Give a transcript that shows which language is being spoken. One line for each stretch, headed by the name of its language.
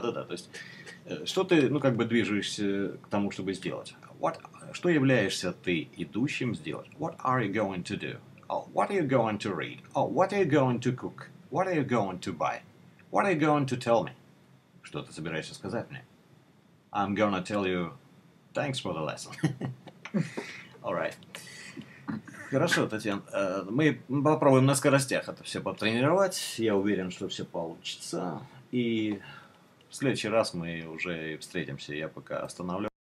Russian: То есть, что ты, ну, как бы движешься к тому, чтобы сделать?
English: What,
Russian: что являешься ты идущим сделать?
English: What are you going to do? Oh, what are you going to read? Oh, what are you going to cook? What are you going to buy? What are you going to tell me?
Russian: Что ты собираешься сказать мне?
English: I'm gonna tell you thanks for the lesson. All right.
Russian: Хорошо,
English: Татьяна.
Russian: Мы попробуем на скоростях это все потренировать. Я уверен, что все получится. И в следующий раз мы уже встретимся. Я пока останавливаюсь.